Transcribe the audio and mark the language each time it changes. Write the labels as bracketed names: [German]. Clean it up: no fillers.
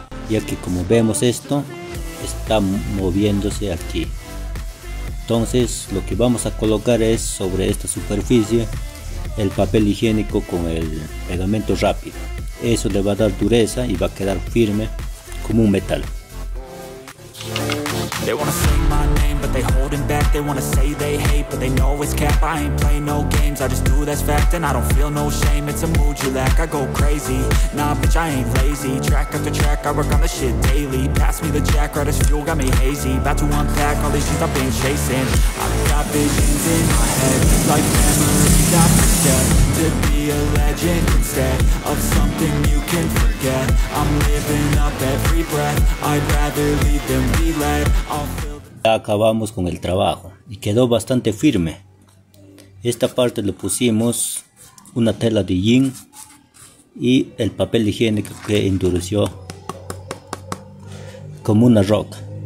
[Spanish] Ya que como vemos esto está moviéndose aquí. Entonces lo que vamos a colocar es sobre esta superficie el papel higiénico con el pegamento rápido. Eso le va a dar dureza y va a quedar firme como un metal. [English] They wanna say my name, but they holding back. They wanna say they hate, but they know it's cap. I ain't play no games, I just do that's fact. And I don't feel no shame, it's a mood you lack. I go crazy, nah bitch I ain't lazy. Track after track, I work on the shit daily. Pass me the jack, right as fuel, got me hazy. About to unpack all these things I've been chasing. I've got visions in my head, like memories I forget. To be a legend instead of something you can forget. I'm living up every breath, I'd rather leave than be led. [Spanish] Ya acabamos con el trabajo y quedó bastante firme. Esta parte le pusimos una tela de jean y el papel higiénico que endureció como una roca.